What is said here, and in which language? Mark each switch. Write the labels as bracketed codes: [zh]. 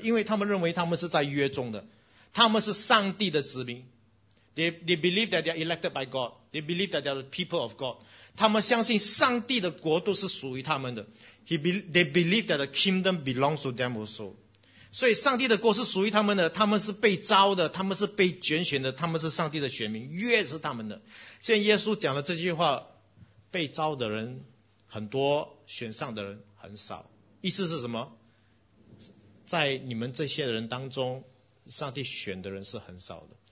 [zh] 因为他们认为他们是在约中的。他们是上帝的子民。 [en] They believe that they are elected by God. They believe that they are the people of God. [zh] 他们相信上帝的国度是属于他们的。 [en] They believe that the kingdom belongs to them also. [zh] 所以上帝的国是属于他们的，他们是被招的，他们是被拣选的，他们是上帝的选民，约是他们的。现在耶稣讲了这句话，被招的人很多，选上的人很少。意思是什么？在你们这些人当中，上帝选的人是很少的。